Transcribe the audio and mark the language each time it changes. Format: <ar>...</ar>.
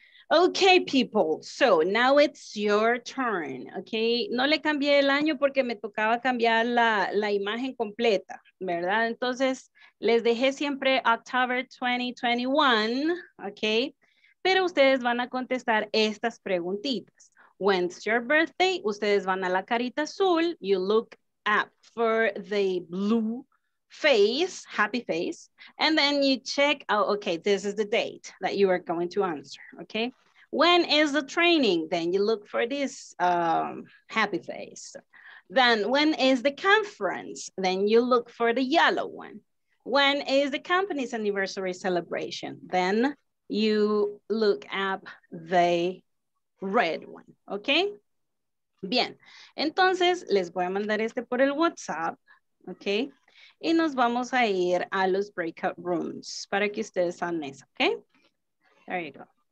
<en>Okay, people, so now it's your turn, okay?</en> <es>No le cambié el año porque me tocaba cambiar la imagen completa, ¿verdad? Entonces, les dejé siempre</es> <en>October 2021,</en> <es>okay? Pero ustedes van a contestar estas preguntitas.</es> <en>When's your birthday?</en> <es>Ustedes van a la carita azul.</es> <en>You look up for the blue face, happy face, and then you check, oh, okay, this is the date that you are going to answer, okay? When is the training? Then you look for this happy face. Then when is the conference? Then you look for the yellow one. When is the company's anniversary celebration? Then you look up the red one, okay?</en> <es>Bien, entonces les voy a mandar este por el WhatsApp, okay? Y nos vamos a ir a los breakout rooms para que ustedes sean eso, okay?</es> <en>There you go.</en>